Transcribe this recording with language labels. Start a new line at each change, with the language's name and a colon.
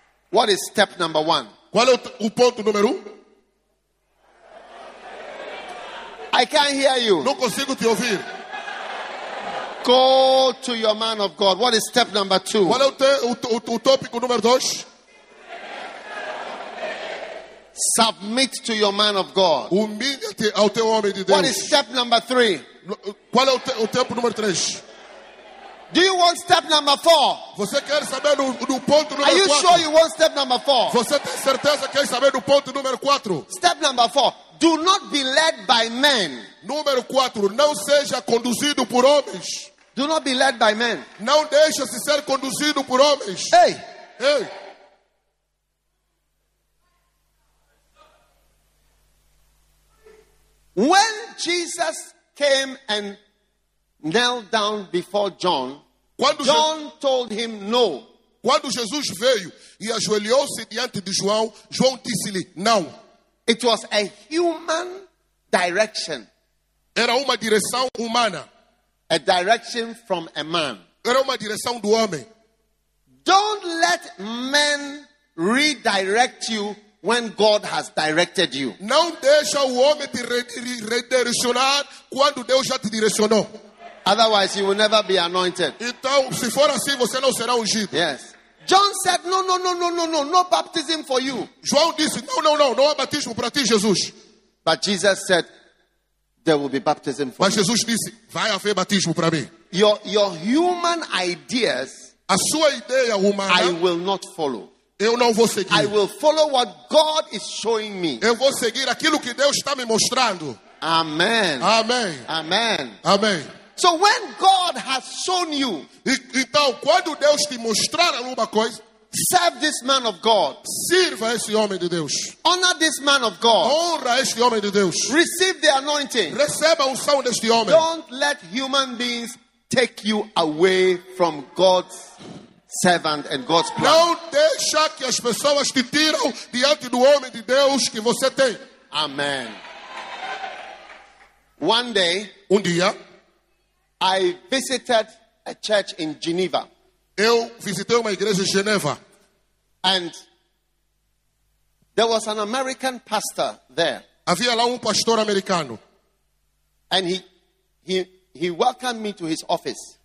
English: What is step number one?
Portuguese: Qual é o ponto número um?
English: I can't hear you.
Portuguese: Não consigo te ouvir.
English: Go to your man of God. What is step number two?
Portuguese: Qual é o tópico número dois?
English: Submit to your man of God.
Portuguese: Humilha-te ao teu homem de Deus.
English: What is step number three?
Portuguese: Qual é o tempo número três?
English: Do you want step number four?
Portuguese: Você quer saber do ponto número
English: 4? Are you
Portuguese: quatro?
English: Sure you want step number four?
Portuguese: Você tem certeza que quer saber do ponto número 4?
English: Step number four. Do not be led by men.
Portuguese: Número 4. Não seja conduzido por homens.
English: Do not be led by men.
Portuguese: Não deixe-se ser conduzido por homens.
English: Hey. Hey. When Jesus came and knelt down before John, John told him no.
Portuguese: Quando Jesus veio e ajoelhou-se diante de João, João disse-lhe não.
English: It was a human direction.
Portuguese: Era uma direção humana.
English: A direction from a man.
Portuguese: Era uma direção do homem.
English: Don't let men redirect you when God has directed you.
Portuguese: Não deixa o homem te redirecionar quando Deus já te direcionou.
English: Otherwise, you will never be anointed.
Portuguese: Então, se for assim, você não será ungido.
English: Yes. John said, no, no, no, no, no, no, no baptism for you.
Portuguese: João disse, não, não, não, não há batismo para ti, Jesus.
English: But Jesus said, there will be baptism for you.
Portuguese: Mas Jesus disse, vai haver batismo para mim.
English: Your human ideas,
Portuguese: a sua ideia humana,
English: I will not follow.
Portuguese: Eu não vou seguir.
English: I will follow what God is showing me.
Portuguese: Eu vou seguir aquilo que Deus está me mostrando.
English: Amen. Amen. Amen. Amen. So when God has shown you,
Portuguese: então quando Deus te mostrar alguma coisa,
English: serve this man of God.
Portuguese: Sirva esse homem de Deus.
English: Honor this man of God.
Portuguese: Honra esse homem de Deus.
English: Receive the anointing.
Portuguese: Receba a unção deste homem.
English: Don't let human beings take you away from God's servant and God's plan.
Portuguese: Não deixa que as pessoas te tiram diante do homem de Deus que você tem.
English: Amen. One day,
Portuguese: um dia,
English: I visited a church in Geneva.
Portuguese: Eu visitei uma igreja em Geneva.
English: And there was an American pastor there.
Portuguese: Havia lá pastor americano.
English: And he welcomed me to his office.